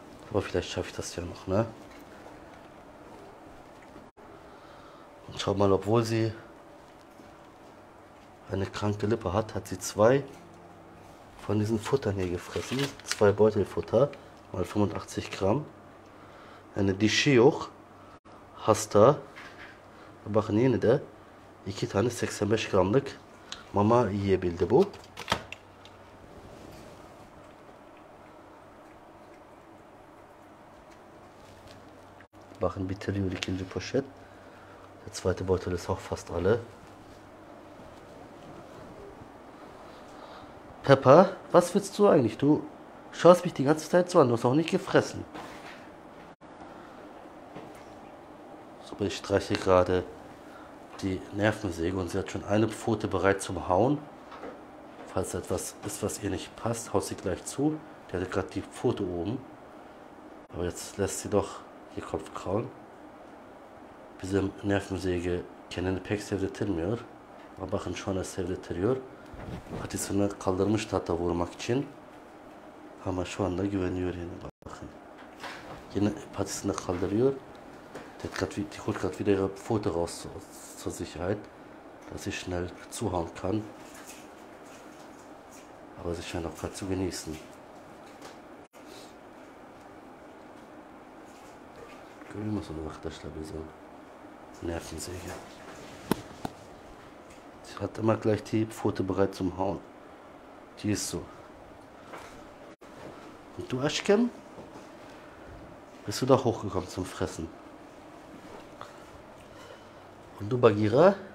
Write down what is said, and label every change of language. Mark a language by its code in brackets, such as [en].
[de] Aber vielleicht schaffe ich das ja noch, ne? Und schau mal, obwohl sie eine kranke Lippe hat, hat sie zwei von diesen Futtern hier gefressen. Zwei Beutelfutter, mal 85 Gramm. [tr] Eine Dişiyoğ, Hasta, bakın yine de iki tane 85 gramlık mama yiyebildi bu. Bakın bitiriyor ikinci poşet. [de] Der zweite Beutel ist auch fast alle. Pepper, was willst du eigentlich? Du schaust mich die ganze Zeit so an, du hast auch nicht gefressen. So, ich streiche gerade die Nervensäge und sie hat schon eine Pfote bereit zum Hauen. Falls etwas ist, was ihr nicht passt, haut sie gleich zu. Die hatte gerade die Pfote oben. Aber jetzt lässt sie doch ihr Kopf kraulen. [tr] Bizim Nervensäge kendini pek sevdirtmiyor. Ama bakın şu anda sevdirtiyor. Patisini kaldırmıştı hatta vurmak için. Ama şu anda güveniyor yine bakın. Yine patisini kaldırıyor. [de] Tekrar gerade wieder ihre Pfote raus zur Sicherheit, dass ich schnell zuhauen kann. Aber sie scheint auch gerade zu genießen. [tr] Görüyor musunuz arkadaşlar bizim Nervensäge. [de] Sie hat immer gleich die Pfote bereit zum Hauen. Die ist so. Und du, Aşkım? Bist du da hochgekommen zum Fressen? Und du, Bagira?